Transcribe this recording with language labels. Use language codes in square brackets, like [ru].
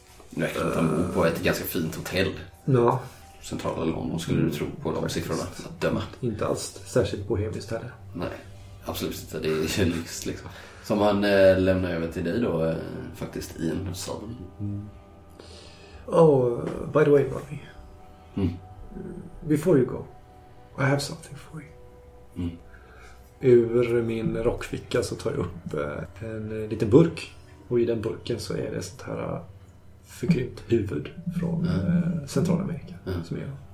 [sv] Nu är han på ett ganska fint hotell. Ja. Centrala London skulle du tro på de faktiskt siffrorna att döma. Inte alls särskilt bohemiskt heller. Nej. Absolut inte, det är ju lyx liksom. Som han lämnar över till dig då, faktiskt i en sal. [en] Mm. Oh, by the way, Bobby. Mm. Before you go, I have something for you. Mm. [sv] Ur min rockficka så tar jag upp en liten burk. Och i den burken så är det sånt här förkrympt huvud från Centralamerika som är.